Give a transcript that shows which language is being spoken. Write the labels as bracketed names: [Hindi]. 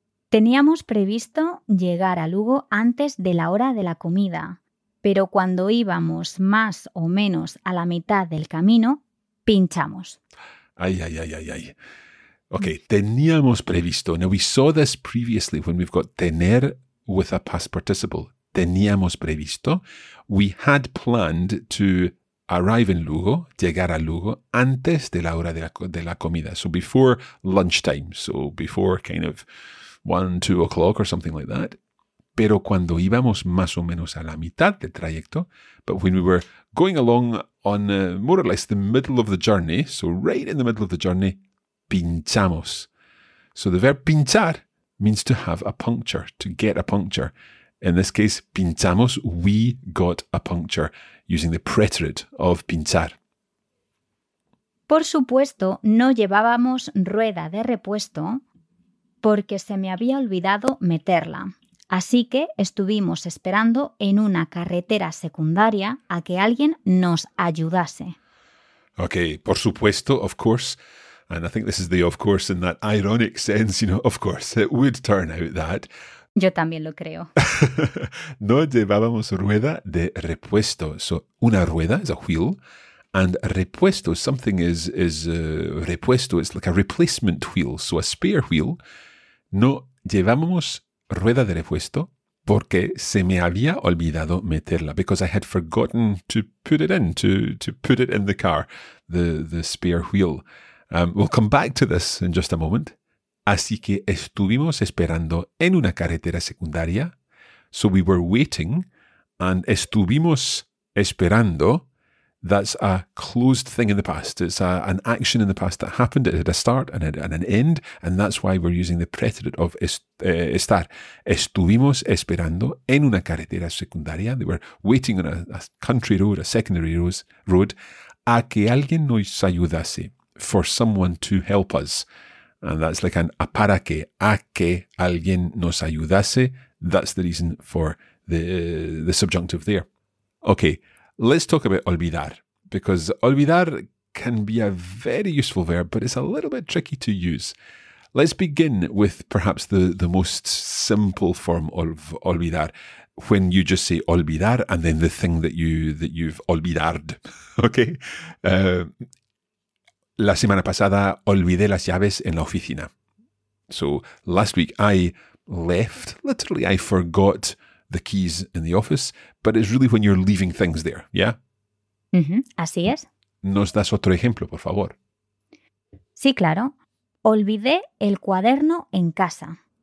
[Spanish] Teníamos previsto llegar a Lugo antes de la hora de la comida, pero cuando íbamos más o menos a la mitad del camino, pinchamos. Ay, ay, ay, ay, ay. Okay, teníamos previsto. [English] Now, we saw this previously when we've got tener with a past participle. [Spanish] Teníamos previsto. [English] We had planned to arrive in Lugo, [Spanish] llegar a Lugo, antes de la hora de la comida. [English] So before lunchtime. So before kind of 1, 2 o'clock or something like that. [Spanish] Pero cuando íbamos más o menos a la mitad del trayecto, [English] but when we were going along on more or less the middle of the journey, so right in the middle of the journey, pinchamos. So the verb pinchar means to have a puncture, to get a puncture. In this case, pinchamos, we got a puncture, using the preterite of pinchar. [Spanish] Por supuesto, no llevábamos rueda de repuesto porque se me había olvidado meterla. Así que estuvimos esperando en una carretera secundaria a que alguien nos ayudase. [English] Okay, [Spanish] por supuesto, [English] of course. And I think this is the of course in that ironic sense, you know, of course, it would turn out that. [Spanish] Yo también lo creo. No llevábamos rueda de repuesto. [English] So una rueda is a wheel, and repuesto, something is repuesto. It's like a replacement wheel, so a spare wheel. [Spanish] No llevábamos rueda de repuesto porque se me había olvidado meterla, [English] because I had forgotten to put it in, to put it in the car, the spare wheel. We'll come back to this in just a moment. [Spanish] Así que estuvimos esperando en una carretera secundaria. [English] So we were waiting, and [Spanish] estuvimos esperando. [English] That's a closed thing in the past. It's an action in the past that happened. It had a start and an end, and that's why we're using the preterite of estar. [Spanish] Estuvimos esperando en una carretera secundaria. [English] They were waiting on a country road, a secondary road, [Spanish] a que alguien nos ayudase. [English] For someone to help us. And that's like a para que, [Spanish] a que alguien nos ayudase. [English] That's the reason for the subjunctive there. Okay, let's talk about olvidar. Because olvidar can be a very useful verb, but it's a little bit tricky to use. Let's begin with perhaps the most simple form of olvidar, when you just say olvidar and then the thing that you've olvidared. Okay? [Spanish] La semana pasada olvidé las llaves en la oficina. [English] So last week I left, literally I forgot the keys in the office, but it's really when you're leaving things there, yeah? [Spanish] Mm-hmm. Así es. ¿Nos das otro ejemplo, por favor? Sí, claro. Olvidé el cuaderno en casa.